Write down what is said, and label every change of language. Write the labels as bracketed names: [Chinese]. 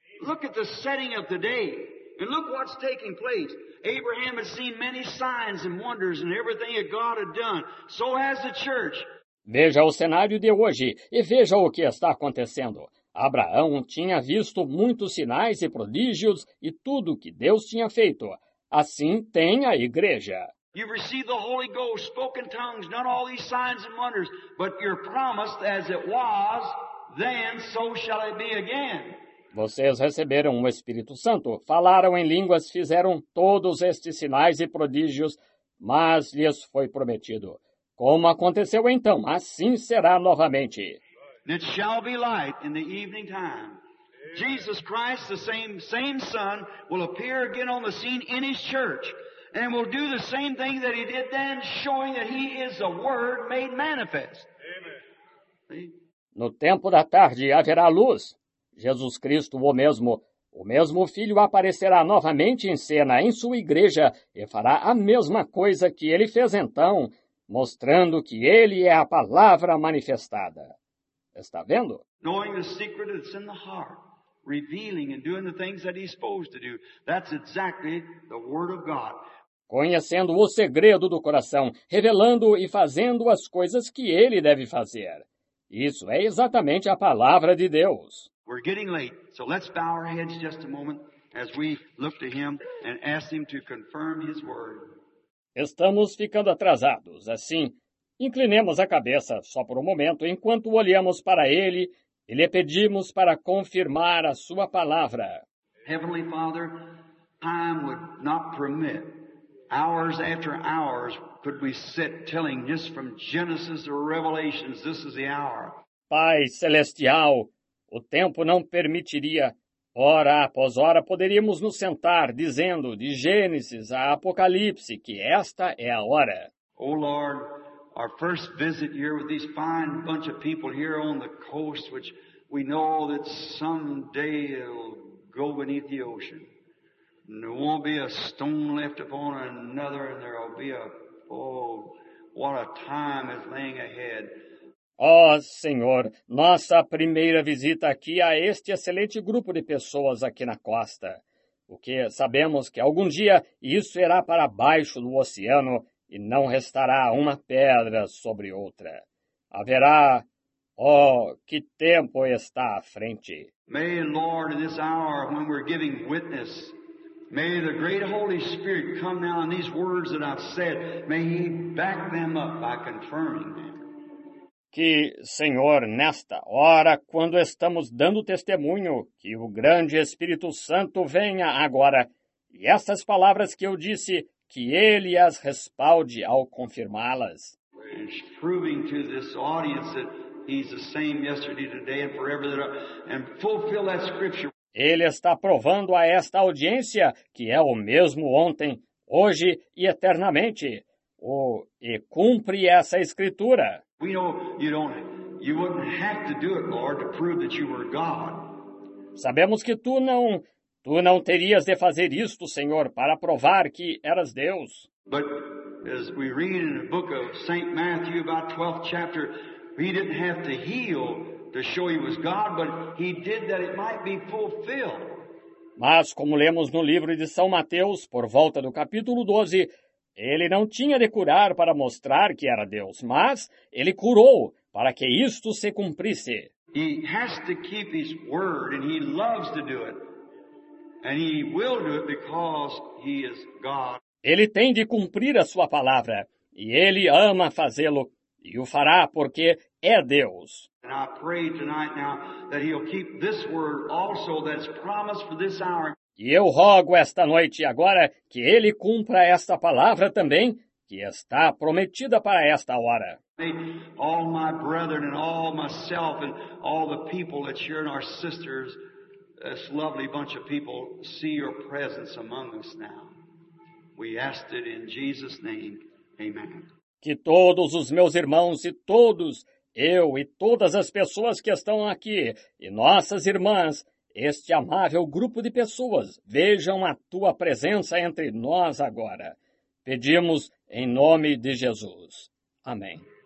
[English] Look at the setting of the day. And look what's taking place. Abraham had seen many signs and wonders and everything that God had done. So has the church. [Portuguese] Veja o cenário de hoje e veja o que está acontecendo. Abraão tinha visto muitos sinais e prodígios e tudo o que Deus tinha feito. Assim tem a igreja. [English] You've received the Holy Ghost, spoken tongues, done all these signs and wonders, but you're promised as it was, then so shall it be again. [Portuguese] Vocês receberam o Espírito Santo, falaram em línguas, fizeram todos estes sinais e prodígios, mas lhes foi prometido. Como aconteceu então? Assim será novamente. [English] It shall be light in the evening time. Jesus Christ, the same Son, will appear again on the scene in His church, and will do the same thing that He did then, showing that He is the Word made manifest. [Portuguese] No tempo da tarde haverá luz. Jesus Cristo, o mesmo Filho, aparecerá novamente em cena em sua igreja e fará a mesma coisa que Ele fez então, mostrando que Ele é a palavra manifestada. Está vendo? [English] Knowing the secret that's in the heart, revealing and doing the things that he's supposed to do. That's exactly the word of God. [Portuguese] Conhecendo o segredo do coração, revelando e fazendo as coisas que ele deve fazer. Isso é exatamente a palavra de Deus. [English] We're getting late, so let's bow our heads just a moment as we look to him and ask him to confirm his word. [Portuguese] Estamos ficando atrasados, assim, inclinemos a cabeça só por um momento enquanto olhamos para Ele e lhe pedimos para confirmar a Sua palavra. [English] Heavenly Father, time would not permit. Hours after hours could we sit telling just from Genesis to Revelations, this is the hour. [Portuguese] Pai Celestial, o tempo não permitiria. Hora após hora poderíamos nos sentar dizendo de Gênesis a Apocalipse que esta é a hora. [English] Oh Lord, our first visit here with these fine bunch of people here on the coast, which we know that someday it'll go beneath the ocean. And there won't be a stone left upon another, and there'll be a, oh, what a time is laying ahead. [Portuguese] Oh, Senhor, nossa primeira visita aqui a este excelente grupo de pessoas aqui na costa. Porque sabemos que algum dia isso irá para baixo do oceano e não restará uma pedra sobre outra. Haverá, oh, que tempo está à frente. [English] May the Lord, in this hour when we're giving witness, may the great Holy Spirit come now in these words that I've said, may He back them up by confirming them. [Portuguese] Que, Senhor, nesta hora, quando estamos dando testemunho, que o grande Espírito Santo venha agora, e essas palavras que eu disse, que Ele as respalde ao confirmá-las. [English] He's proving to this audience that He's the same yesterday, today, and forever, and fulfill that scripture. [Portuguese] Ele está provando a esta audiência que é o mesmo ontem, hoje e eternamente. Oh, e cumpre essa escritura. [English] We know you wouldn't have to do it, Lord, to prove that you were God. [Portuguese] Sabemos que tu não terias de fazer isto, Senhor, para provar que eras Deus. [English] But as we read in the book of St. Matthew, about 12th chapter, he didn't have to heal to show he was God, but he did that it might be fulfilled. [Portuguese] Mas como lemos no livro de São Mateus, por volta do capítulo 12, ele não tinha de curar para mostrar que era Deus, mas ele curou para que isto se cumprisse. [English] He has to keep his word, and he loves to do it. And he will do it because he is God. [Portuguese] Ele tem de cumprir a sua palavra, e ele ama fazê-lo, e o fará porque é Deus. [English] And I pray tonight now that he'll keep this word also that's promised for this hour. [Portuguese] E eu rogo esta noite agora que ele cumpra esta palavra também, que está prometida para esta hora. [English] All my brethren and all myself and all the people that share in our sisters, this lovely bunch of people, see your presence among us now. We ask it in Jesus' name. Amen. [Portuguese] Que todos os meus irmãos e todos, eu e todas as pessoas que estão aqui, e nossas irmãs, este amável grupo de pessoas, vejam a tua presença entre nós agora. Pedimos em nome de Jesus. Amém.